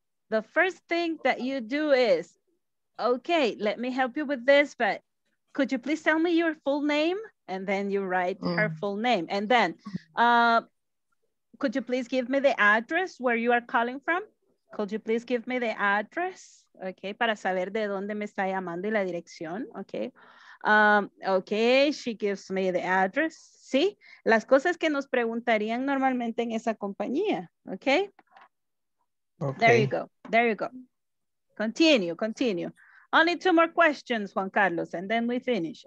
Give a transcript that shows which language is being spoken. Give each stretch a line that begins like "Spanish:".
English: The first thing that you do is, okay, let me help you with this, but could you please tell me your full name? And then you write her full name. And then, could you please give me the address where you are calling from? Could you please give me the address?
Spanish: Okay, para saber de dónde me está llamando y la dirección, okay. Okay,
English: she gives me the address.
Spanish: Sí, las cosas que nos preguntarían normalmente en esa compañía, okay?
English: Okay. There you go. Continue. Only two more questions, Juan Carlos, and then we finish.